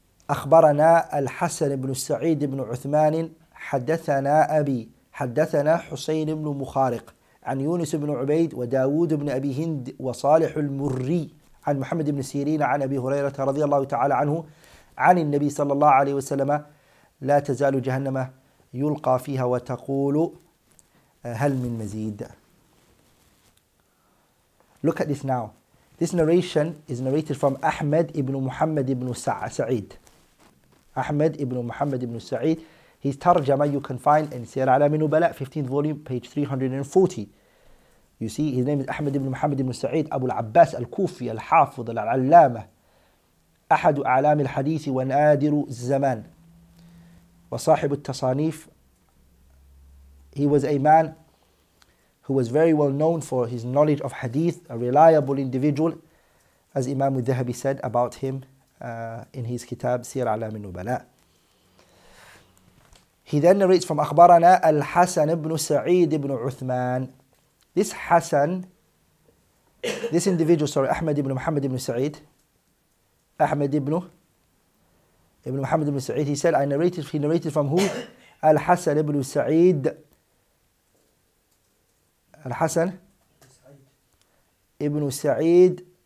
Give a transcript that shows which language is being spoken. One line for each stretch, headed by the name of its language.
Arabic: أخبرنا الحسن بن سعيد بن عثمان حدثنا أبي حدثنا حسين بن مخارق عن يونس بن عبيد وداود بن أبي هند وصالح المري عن محمد بن سيرين عن أبي هريرة رضي الله تعالى عنه عن النبي صلى الله عليه وسلم لا تزال جهنم يلقى فيها وتقول هل من مزيد.
English: Look at this now. This narration is narrated from Ahmed ibn Muhammad ibn Sa'id. Ahmed ibn Muhammad ibn Sa'id. His tarjama you can find in Sir Alam al-Nubala, 15th volume, page 340. You see, his name is Ahmed ibn Muhammad ibn Sa'id, Abu al-Abbas al-Kufi al-Hafidh al-Allama.
Arabic: أحد أعلام الحديث ونادر الزمان وصاحب التصانيف.
English: He was a man who was very well known for his knowledge of hadith, a reliable individual, as Imam al-Dhahabi said about him in his kitab Sir Alam al-Nubala. He then narrates from
Arabic: أخبرنا الحسن بن سعيد بن عثمان.
English: This Hassan, this individual, sorry, Ahmed ibn Muhammad ibn Sa'id, Ahmed ibn Muhammad ibn Sa'id, he said, he narrated from who? Al-Hassan ibn Sa'id. Al-Hassan ibn Sa'id.